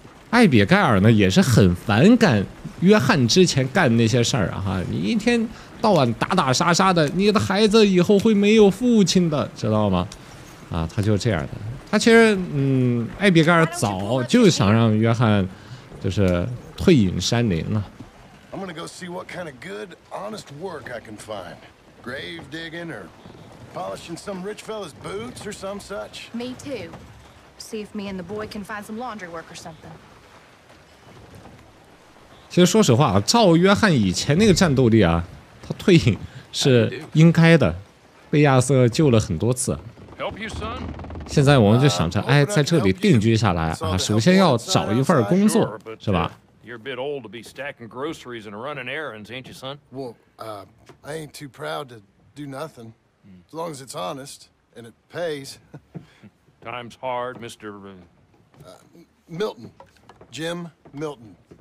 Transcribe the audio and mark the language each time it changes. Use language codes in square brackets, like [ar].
[zh] 艾比盖尔呢也是很反感约翰之前干那些事儿啊，你一天到晚打打杀杀的，你的孩子以后会没有父亲的，知道吗？啊，他就这样的。他其实，艾比盖尔早就想让约翰，就是退隐山林了。 [en] I'm gonna go see what kind of good, honest work I can find. Grave digging or polishing some rich fella's boots or some such. Me too. See if me and the boy can find some laundry work or something. [zh] 其实说实话，照约翰以前那个战斗力啊，他退隐是应该的，被亚瑟救了很多次。现在我们就想着，哎，在这里定居下来啊，首先要找一份工作，是吧？ [en] You're a bit old to be stacking groceries and running errands, ain't you, son? Well, I ain't too proud to do nothing, as long as it's honest and it pays. Times hard, Mr. Milton, Jim Milton.